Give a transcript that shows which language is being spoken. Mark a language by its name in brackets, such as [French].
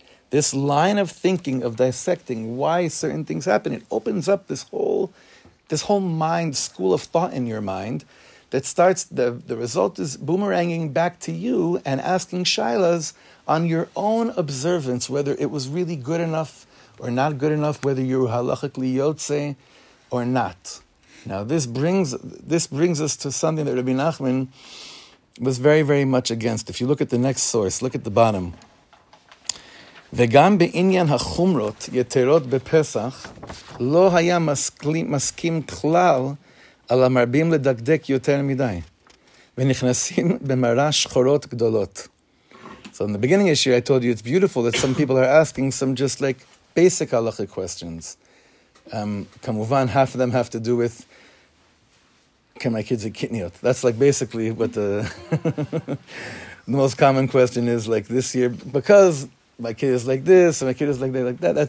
[English] This line of thinking, of dissecting why certain things happen, it opens up this whole mind, school of thought in your mind, that starts, the result is boomeranging back to you and asking shailas on your own observance, whether it was really good enough or not good enough, whether you're halachically yotze or not. Now this brings us to something that Rabbi Nachman was very, very much against. If you look at the next source, look at the bottom. [Hebrew] וגם בעניין החומרות יתרות בפסח לא היה מסכים כלל על המרבים לדקדק יותר מדי ונכנסים במראה שחורות גדולות. [English] So in the beginning of the year, I told you it's beautiful that some people are asking some just like basic halacha questions. [Hebrew] כמובן, [English] half of them have to do with can my kids eat kitniot? That's like basically what the the most common question is like this year, because my kid is like this, and my kid is like that, like that.